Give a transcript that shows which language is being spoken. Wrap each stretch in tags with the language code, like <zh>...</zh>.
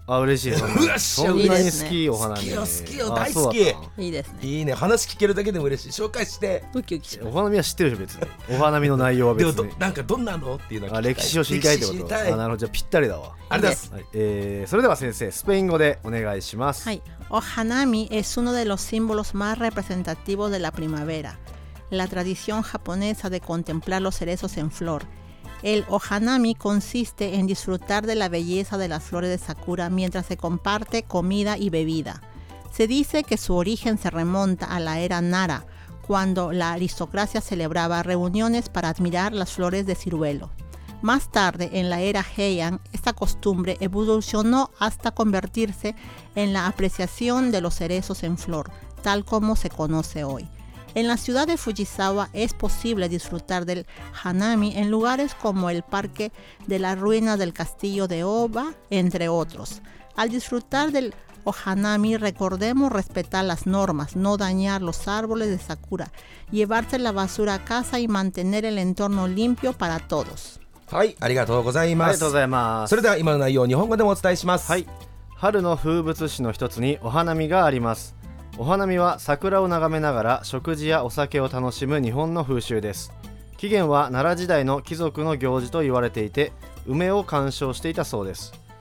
<ja>あ、嬉しい。そんなに好き。お花見好きよ、好きよ、大好き。いいですね。いいね。話聞けるだけでも嬉しい。紹介してウキウキ。お花見は知ってるでしょ、別に。お花見の内容は別にでもなんかどんなのっていうのは聞きたい。歴史を知りたいってこと。あ、なるほど。じゃあぴったりだわ。ありがとうございます、はい。それでは先生、スペイン語でお願いします。はい。</ja> <es>お花見 es uno de los símbolos más representativos de la primavera, la tradición japonesa de contemplar los cerezos en flor. El ohanami consiste en disfrutar de la belleza de las flores de sakura mientras se comparte comida y bebida. Se dice que su origen se remonta a la era Nara, cuando la aristocracia celebraba reuniones para admirar las flores de ciruelo. Más tarde, en la era Heian, esta costumbre evolucionó hasta convertirse en la apreciación de los cerezos en flor, tal como se conoce hoy. En la ciudad de Fujisawa es posible disfrutar del hanami en lugares como el parque de las ruinas del castillo de Oba, entre otros. Al disfrutar del ohanami, recordemos respetar las normas, no dañar los árboles de sakura, llevarse la basura a casa y mantener el entorno limpio para todos.</es> <ja>はい、ありがとうございます。ありがとうございます。それでは今の内容を日本語でもお伝えします。はい。春の風物詩の一つにお花見があります。お花見は桜を眺めながら食事やお酒を楽しむ日本の風習です。起源は奈良時代の貴族の行事と言われていて、梅を観賞していたそうです。</ja>